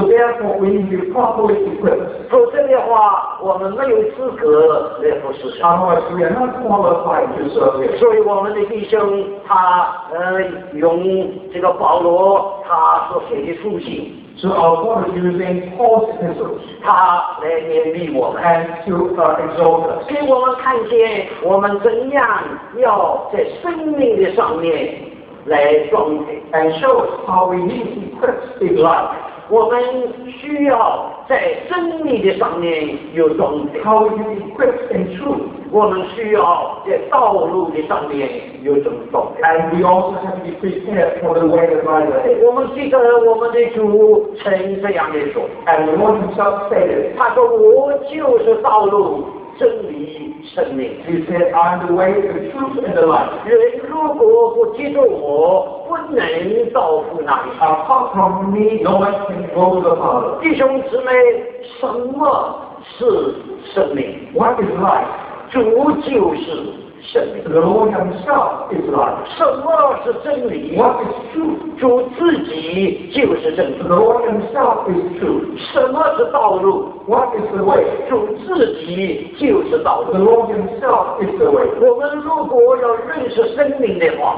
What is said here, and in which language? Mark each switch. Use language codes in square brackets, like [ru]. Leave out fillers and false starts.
[en] So therefore, we need to be properly equipped. [zh] 否则的话，我们没有资格来服侍神。 [en] Otherwise, we are not qualified to serve. [zh] 所以我们的弟兄他用这个保罗他所写的书信。 [en] So our Lord is using Paul's epistles. [zh] 他来勉励我们。 [en] And to exhort us. [zh] 给我们看见我们怎样要在生命的上面。来装备 [en] ，and show us how we need to put in life. [zh] 我们需要在真理的上面有装备 [en] ，how we need to put in truth. [zh] 我们需要在道路的上面有装备 [en] ，and we also have to be prepared for the way of my life. [zh] 我们记得我们的主曾这样的说 [en] ，and the Lord himself said it. [zh] 他说我就是道路。真理生命 [en] He said, I'm the way, the truth, and the life. [zh] 人如果不接受我，不能到父那里。 [en] Apart from me, no one can go to the Father. [zh] 弟兄姊妹，什么是生命 [en] ？What is life? [zh] 主就是生命。 [en] The Lord Himself is life. [zh] 什么是真理 [en] ？What is truth? [zh] 主自己就是真理。 [en] The Lord Himself is truth. [zh] 什么是道路？ [en] What is the way? [zh] 主自己就是道路。 [en] The Lord Himself is the way. [zh] 我们如果要认识生命的话